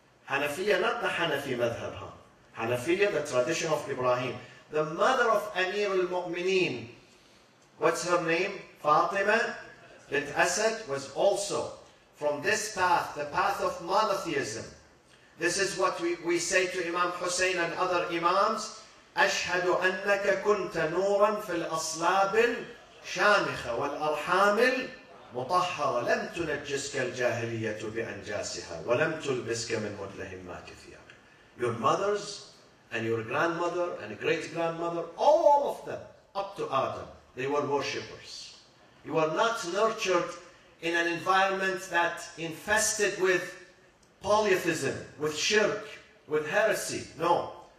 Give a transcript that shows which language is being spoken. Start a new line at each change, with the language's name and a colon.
English: Hanafiyya, not the Hanafi madhhab. Hanafiyya, the tradition of Ibrahim. The mother of Amir al-Mu'mineen, what's her name? Fatima bint Asad, was also from this path, the path of monotheism. This is what we say to Imam Hussein and other Imams.
Arabic: أشهد أنك كنت نورا في الأصلاب الشامخة والأرحام المطهرة لم تنجسك الجاهلية بأنجاسها ولم تلبسك من مدلهمات ثياب.
English: Your mothers and your grandmother and great-grandmother, all of them, up to Adam, they were worshippers. You were not nurtured in an environment that infested with polytheism, with shirk, with heresy. No.